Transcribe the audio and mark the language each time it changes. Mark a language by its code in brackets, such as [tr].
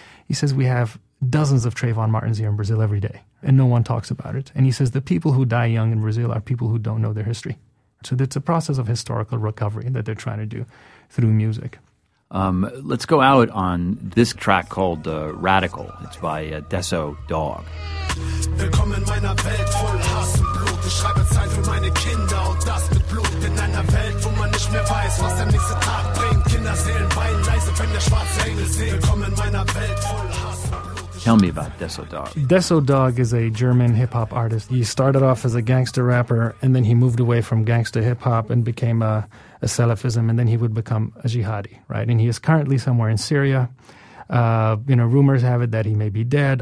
[en] He says we have dozens of Trayvon Martins here in Brazil every day, and no one talks about it. And he says the people who die young in Brazil are people who don't know their history. So it's a process of historical recovery that they're trying to do through music. Let's go out on this track called Radical. It's by Desso Dawg. [de] Willkommen in meiner Welt voll Hass und Blut. Ich schreibe Zeit für meine Kinder und das mit Blut. In einer Welt, wo man nicht mehr weiß, was der nächste Tag bringt. Kinder, Seelen, weinen leise, wenn der schwarze Engel singt. Willkommen in meiner Welt voll Hass. [en] Tell me about Desso Dawg. Desso Dawg is a German hip-hop artist. He started off as a gangster rapper, and then he moved away from gangster hip-hop and became a Salafism, and then he would become a jihadi, right? And he is currently somewhere in Syria. You know, rumors have it that he may be dead.